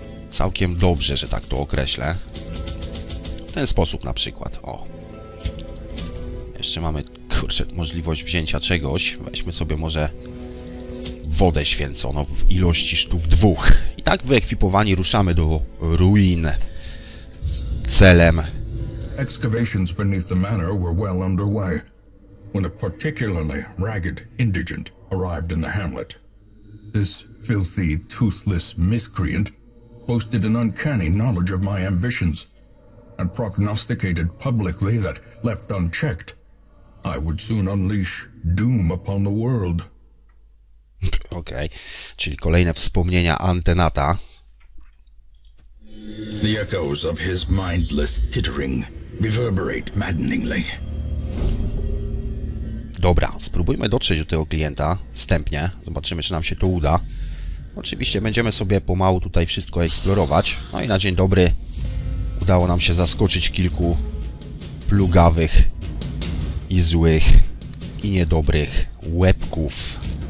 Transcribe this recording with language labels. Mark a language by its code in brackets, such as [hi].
[pl] Całkiem dobrze, że tak to określę. W ten sposób na przykład. O. Jeszcze mamy, kurczę, możliwość wzięcia czegoś. Weźmy sobie może wodę święconą w ilości sztuk dwóch. I tak wyekwipowani ruszamy do ruin. Celem. [en] Excavations beneath the manor were well underway when a particularly ragged indigent arrived in the hamlet. This filthy, toothless miscreant boasted an uncanny knowledge of my ambitions, and prognosticated publicly that, left unchecked, I would soon unleash doom upon the world. [pl] Okej, czyli kolejne wspomnienia Antenata. [en] The echoes of his mindless tittering reverberate maddeningly. [pl] Dobra, spróbujmy dotrzeć do tego klienta wstępnie. Zobaczymy, czy nam się to uda. Oczywiście będziemy sobie pomału tutaj wszystko eksplorować. No i na dzień dobry udało nam się zaskoczyć kilku plugawych i złych i niedobrych łebków.